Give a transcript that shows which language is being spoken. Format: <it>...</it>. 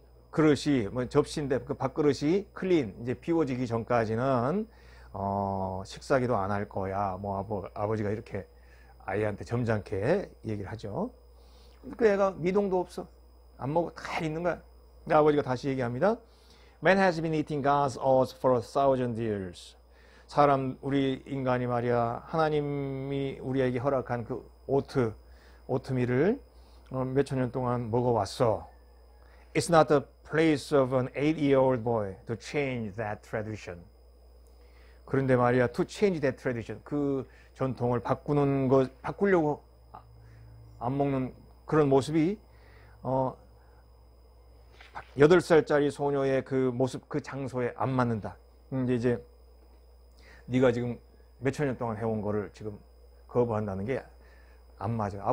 <ko>그릇이 뭐 접시인데 그 밥그릇이 clean 이제 비워지기 전까지는 식사 기도 안 할 거야. 뭐 아버지가 이렇게 아이한테 점잖게 얘기를 하죠. 그 애가 미동도 없어. 안 먹고 다 있는 거야. 근데 아버지가 다시 얘기합니다.</ko> <en>Man has been eating God's oats for 1,000 years.</en> <ko>사람, 우리 인간이 말이야, 하나님이 우리에게 허락한 그 오트밀을 몇천 년 동안 먹어왔어.</ko> <en>It's not the place of an 8-year-old boy to change that tradition.</en> <ko>그런데 말이야,</ko> <en>to change that tradition,</en> <ko>그 전통을 바꾸는 것, 바꾸려고 안 먹는 그런 모습이 8살짜리 소녀의 그 모습, 그 장소에 안 맞는다. 이제 네가 지금 몇천 년 동안 해온 거를 지금 거부한다는 게안 맞아.</ko>